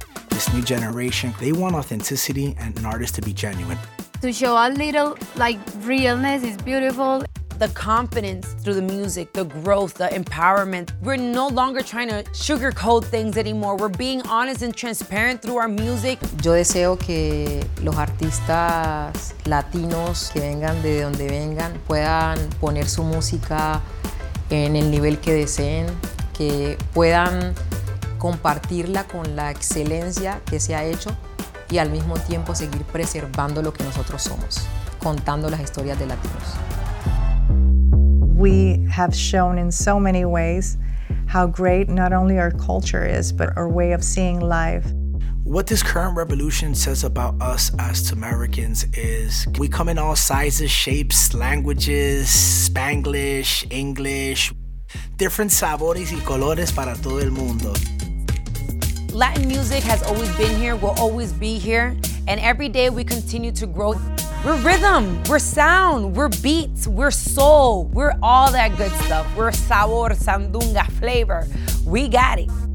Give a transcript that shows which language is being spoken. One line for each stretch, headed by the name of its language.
English: This new generation, they want authenticity and an artist to be genuine. To show a little, like, realness is beautiful. The confidence through the music, the growth, the empowerment. We're no longer trying to sugarcoat things anymore. We're being honest and transparent through our music.
Spanish: Yo deseo que los artistas latinos que vengan de donde vengan puedan poner su música en el nivel que deseen. Que puedan compartirla con la excelencia que se ha hecho y al mismo tiempo seguir preservando lo que nosotros somos, contando las historias de latinos.
English: We have shown in so many ways how great not only our culture is, but our way of seeing life. What this current revolution says about us as Americans is we come in all sizes, shapes, languages, Spanglish, English. Different
Spanish: sabores y colores para todo el mundo.
English: Latin music has always been here, will always be here, and every day we continue to grow. We're rhythm, we're sound, we're beats, we're soul, we're all that good stuff. We're sabor, sandunga, flavor. We got it.